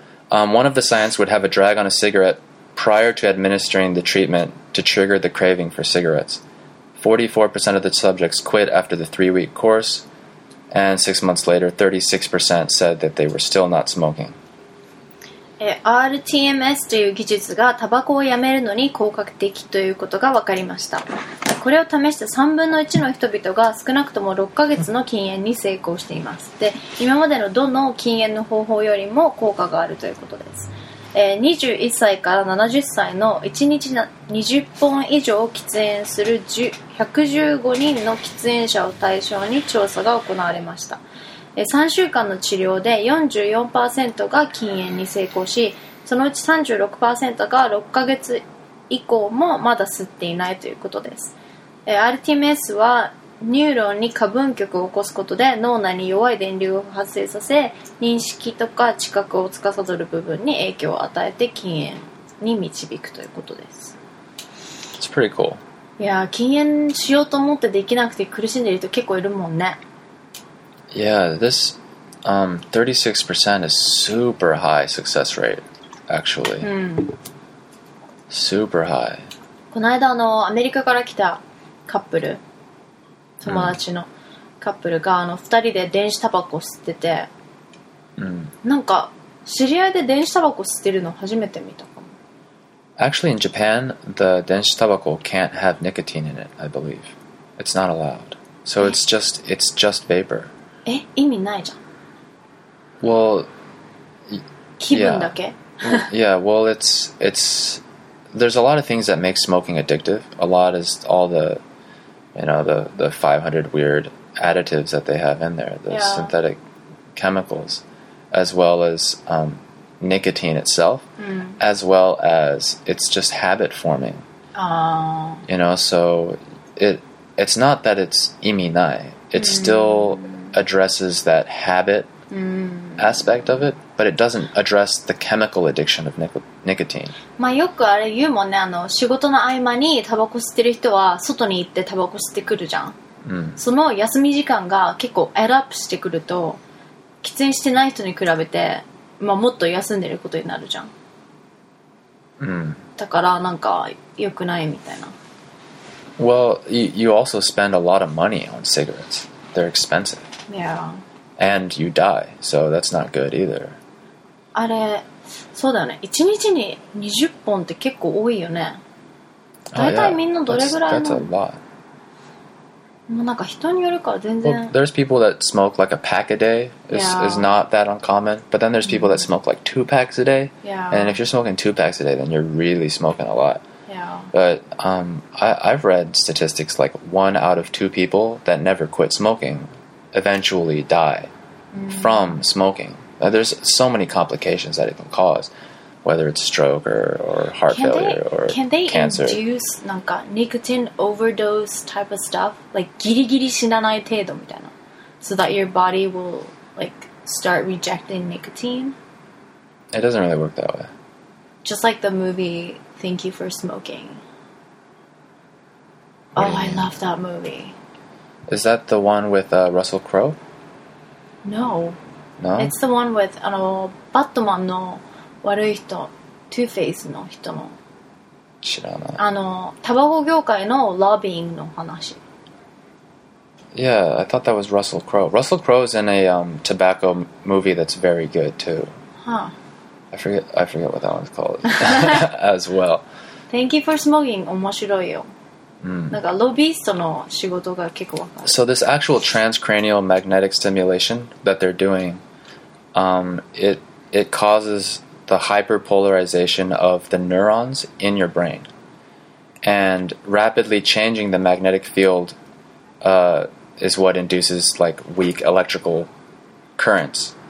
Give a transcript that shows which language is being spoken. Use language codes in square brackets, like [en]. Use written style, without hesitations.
[en] One of the science would have a drag on a cigarette prior to administering the treatment to trigger the craving for cigarettes. 44% of the subjects quit after the 3-week course, and 6 months later, 36% said that they were still not smoking. [ja] RTMS という技術がタバコをやめるのに効果的ということが分かりました。これを試した3分の1の人々が少なくとも6ヶ月の禁煙に成功しています。で、今までのどの禁煙の方法よりも効果があるということです。 21歳から70歳の1日20本以上喫煙する115人の喫煙者を対象に調査が行われました。 3週間の治療で 44% が禁煙に成功し、そのうち 36% が6ヶ月以降もまだ吸っていないということです。 RTMS はニューロンに過分極を起こすことで脳内に弱い電流を発生させ、認識とか知覚を司る部分に影響を与えて禁煙に導くということです。 [en] It's pretty cool. [ja] いや、禁煙しようと思ってできなくて苦しんでいる人結構いるもんね。 [en] Yeah, this 36% is super high success rate, actually. Super high. [ja] この間アメリカから来たカップル、友達のカップルが二人で電子タバコ吸ってて、なんか知り合いで電子タバコ吸ってるの初めて見たかも。 [en] Actually, in Japan, the 電子タバコ can't have nicotine in it, I believe. It's not allowed. So it's just vapor. [ja] え、意味ないじゃん。 [en] Well, [ja] 気分だけ。 [en] Yeah, well, it's there's a lot of things that make smoking addictive. A lot is all the 500 weird additives that they have in there, the synthetic chemicals, as well as nicotine itself, as well as it's just habit forming. You know, so it's not that it's [ja] 意味ない. [en] It's still addresses that habit aspect of it, but it doesn't address the chemical addiction of nicotine. [ja] まあよくあれ言うもんね、仕事の合間にタバコ吸ってる人は外に行ってタバコ吸ってくるじゃん。その休み時間が結構エラップしてくると、喫煙してない人に比べて、まあもっと休んでることになるじゃん。だからなんか良くないみたいな。 [en] Well, you also spend a lot of money on cigarettes. They're expensive. Yeah. And you die, so that's not good either. [ja] あれ、そうだよね。 1日に20本って結構多いよね。大体みんなどれぐらいの [en] That's a lot. [ja] もうなんか人によるから全然 [en] Well, there's people that smoke like a pack a day. It's not that uncommon. But then there's people that smoke like 2 packs a day. Yeah. And if you're smoking 2 packs a day, then you're really smoking a lot. Yeah. But I've read statistics like 1 out of 2 people that never quit smokingeventually die from smoking. Now, there's so many complications that it can cause, whether it's stroke or heart failure or cancer. Can they induce nicotine overdose type of stuff? [ja] Like, ギリギリ死なない程度みたいな? [en] So that your body will, start rejecting nicotine? It doesn't really work that way. Just like the movie Thank You for Smoking. Oh, I love that movie. Is that the one with Russell Crowe? No. No? It's the one with [ja] Batman の悪い人、Two-Face の人の。知らない。タバコ業界のロビーの話。 [en] Yeah, I thought that was Russell Crowe. Russell Crowe's in a tobacco movie that's very good, too. Huh. I forget what that one's called. As well. [ja] Thank you for smoking. 面白いよ。なんかロビーストの仕事が結構わかる。 [en] So this actual transcranial magnetic stimulation that they're doing, it causes the hyperpolarization of the neurons in your brain, and rapidly changing the magnetic field, is what induces weak electrical currents.